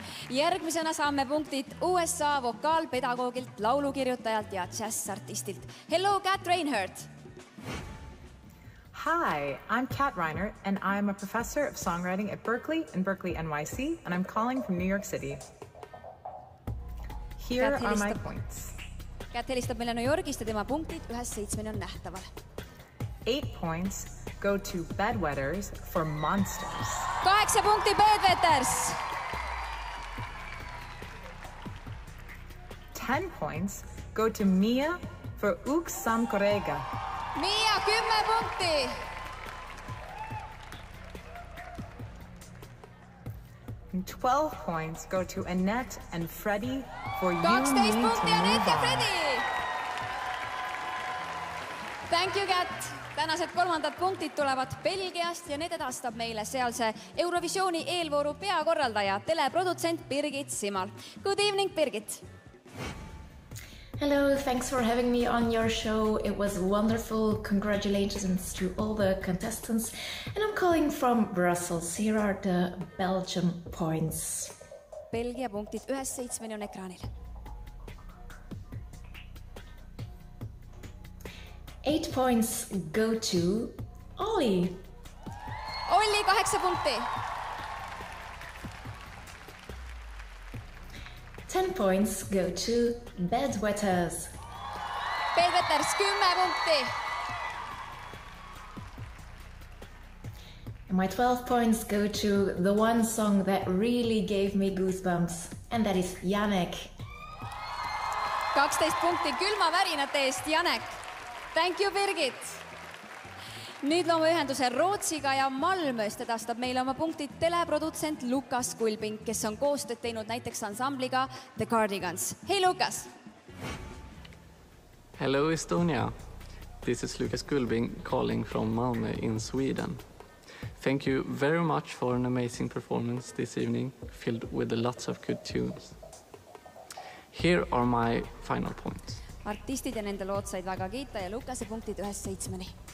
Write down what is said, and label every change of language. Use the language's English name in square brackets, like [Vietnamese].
[Estonian] Järgmisena saame punktid USA vokaalpedagoogilt, laulukirjutajalt ja jazz-artistilt. [English] Hello, Kat Reinhardt! Hi, I'm Kat Reinhardt and I'm a professor of songwriting at Berkeley and Berkeley NYC and I'm calling from New York City. Here are my points. [Estonian] Kat helistab meile New Yorkist ja tema punktid ühes seitsmeni on nähtaval. [English] 8 points go to Bedwetters for Monsters. [Estonian] 8 punkti Bedwetters! [English] 10 points go to Mia for Ukareda. [Estonian] Mia, 10 punkti! [English] And 12 points go to Anett and Fredi for you need to move on. [Estonian] 12 punkti Anett ja Fredi! [English] Thank you, Kat! [Estonian] Tänased kolmandad punktid tulevad Belgiast ja need edastab meile sealse Eurovisiooni eelvooru peakorraldaja, teleprodutsent Birgit Simal. [English] Good evening, Birgit! Hello, thanks for having me on your show. It was wonderful. Congratulations to all the contestants. And I'm calling from Brussels. Here are the Belgium points. [Estonian] Belgia punktid ühes seitsmeni on ekraanil. [English] 8 points go to Ollie. [Estonian] Ollie, 8 punkti. [English] 10 points go to Bedwetters. [Estonian] Bedwetters, 10 punkti. [English] And my 12 points go to the one song that really gave me goosebumps, and that is Janek. [Estonian] 12 punkti külma värinate eest, Janek. [English] Thank you, Birgit. [Estonian] Nüüd loome ühenduse Rootsiga ja Malmöst edastab meile oma punktid teleprodutsent Lukas Kulbing, kes on koostööd teinud näiteks ansambliga The Cardigans. [English] Hey, Lukas! Hello, Estonia. This is Lukas Kulbing calling from Malmö in Sweden. Thank you very much for an amazing performance this evening, filled with lots of good tunes. Here are my final points. [Estonian] Artistid ja nende lood said väga kiita ja Lukase punktid ühes seitsmeni.